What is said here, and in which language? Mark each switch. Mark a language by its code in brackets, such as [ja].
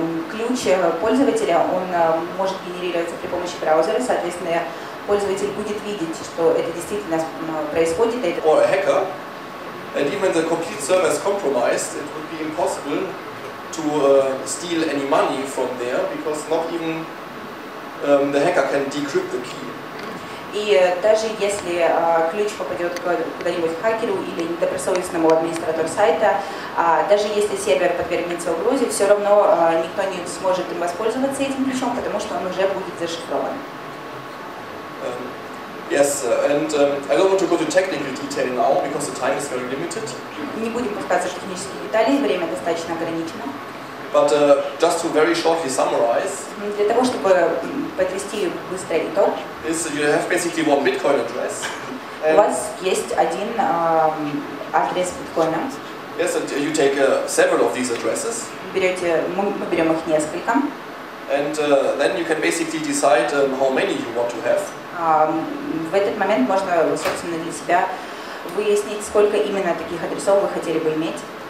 [ru] Ключ пользователя, он может генерироваться при помощи браузера, соответственно, пользователь будет видеть, что это действительно происходит. [en] Or a hacker. And even the complete server is compromised, it would be impossible to steal any money from there, because not even the hacker can decrypt the key. [ru] И даже если ключ попадет куда-нибудь хакеру или недобросовестному администратору сайта, даже если сервер подвергнется угрозе, все равно никто не сможет им воспользоваться этим ключом, потому что он уже будет зашифрован. [en] Yes, and I don't want to go to technical detail now because the time is very limited. [ru] Не будем показывать технические детали, время достаточно ограничено. [en] But just to very shortly summarize. [ru] Для того чтобы подвести быстрый итог. [en] Is you have basically one Bitcoin address. [ru] У вас есть один адрес биткоина. [en] Yes, and you take several of these addresses. [ru] Мы берем их несколько. [en] And then you can basically decide how many you want to have. [ru] В этот момент можно, собственно, для себя выяснить, сколько именно таких адресов вы хотели бы иметь.